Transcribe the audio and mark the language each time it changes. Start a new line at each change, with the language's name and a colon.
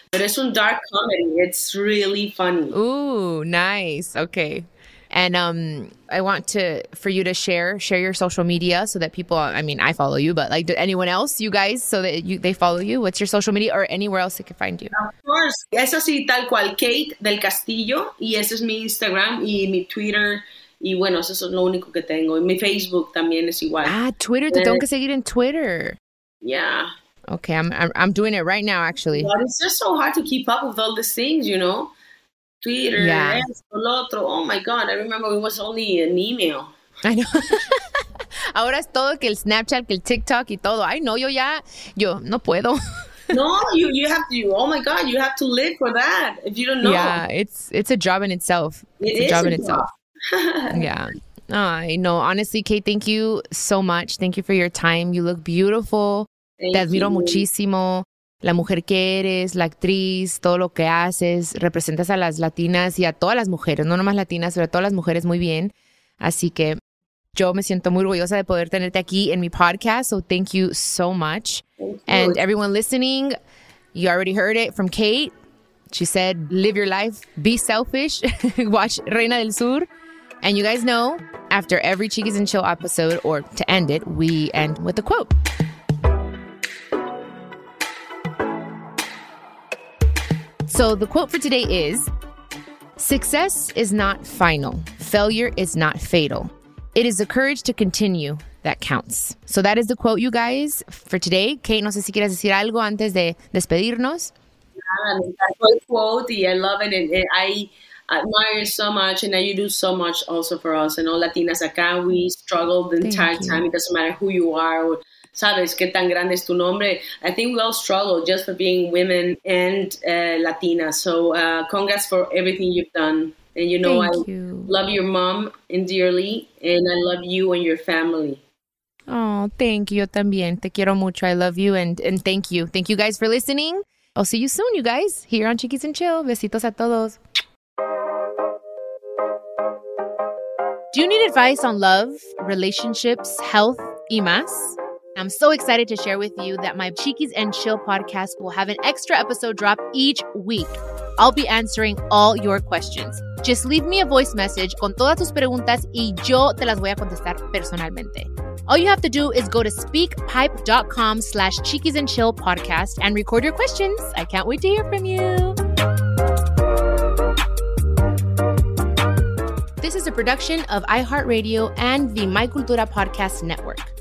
English: But it's some dark comedy. It's really funny. Ooh, nice. Okay. And I want to for you to share your social media so that people, I mean, I follow you, but like anyone else, you guys, so that they follow you. What's your social media or anywhere else they can find you? Of course.
Spanish: Es así tal cual, Kate del Castillo. Y ese es mi Instagram y mi Twitter. Y bueno, eso es lo único que tengo. Y mi Facebook también es igual. Ah, Twitter. Te tengo que seguir en Twitter.
English: Yeah. Okay, I'm doing it right now, actually. But it's just so hard to keep up with all these things, you know? Twitter, yeah.
Spanish: Otro.
English: Oh my God, I remember it was only an email. I know.
Spanish: Ahora es todo que el Snapchat, que el TikTok y todo.
English: I know,
Spanish: yo ya, yo no puedo.
English: No, you have to, oh my God, you have to live for that if you don't know. Yeah, it's a job in itself. It's a job in itself. Yeah. Oh, I know. Honestly, Kate, thank you so much. Thank you for your time. You look beautiful.
Spanish: Te admiro muchísimo. La mujer que eres, la actriz, todo lo que haces, representas a las latinas y a todas las mujeres, no nomás latinas, pero a todas las mujeres muy bien. Así que yo me siento muy orgullosa de poder tenerte aquí en mi podcast.
English: So thank you so much. And everyone listening, you already heard it from Kate. She said, live your life, be selfish, watch Reina del Sur. And you guys know, after every Chiquis and Chill episode, or to end it, we end with a quote. So the quote for today is, success is not final. Failure is not fatal. It is the courage to continue that counts. So that is the quote, you guys, for today.
Spanish: Kate, no sé si quieres decir algo antes de despedirnos.
English: Yeah, that quote, yeah, I love it. And I admire so much. And you do so much also for us. And all Latinas acá, we struggle the entire time. It doesn't matter who you are or
Spanish: sabes que tan grande es tu nombre.
English: I think we all struggle just for being women and Latina. So congrats for everything you've done. And you know, thank you. Love your mom and dearly, and I love you and your family. Oh, thank you.
Spanish: También te quiero mucho.
English: I love you and thank you. Thank you guys for listening. I'll see you soon, you guys, here on Chiquis and Chill.
Spanish: Besitos a todos.
English: Do you need advice on love, relationships, health,
Spanish: y más?
English: I'm so excited to share with you that my Cheekies and Chill podcast will have an extra episode drop each week. I'll be answering all your questions. Just leave me a voice message
Spanish: con todas tus preguntas y yo te las voy a contestar personalmente.
English: All you have to do is go to speakpipe.com/Cheekies and Chill podcast and record your questions. I can't wait to hear from you. This is a production of iHeartRadio and the My Cultura Podcast Network.